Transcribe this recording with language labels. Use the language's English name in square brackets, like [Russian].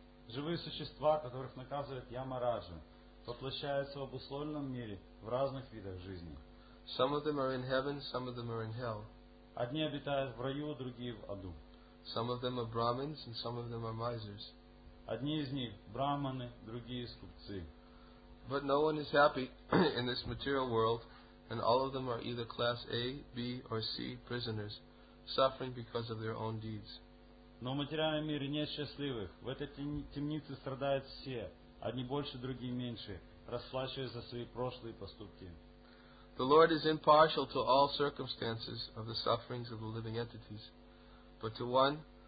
[Russian] Живые существа, которых наказывает Ямараджа, воплощаются в обусловленном мире в разных видах жизни. [English] Some of them are in heaven, some of them are in hell. [Russian] Одни обитают в раю, другие в аду. [English] Some of them are Brahmins and some of them are misers. [Russian] Одни из них брахманы, другие скупцы. [English] But no one is happy in this material world, and all of them are either class A, B, or C prisoners, suffering because of their own deeds. [Russian] Но в материальном мире нет счастливых. В этой темнице страдают все, одни больше, другие меньше, расплачиваясь за свои прошлые поступки. [English] The Lord is impartial to all circumstances of the sufferings of the living entities, but to one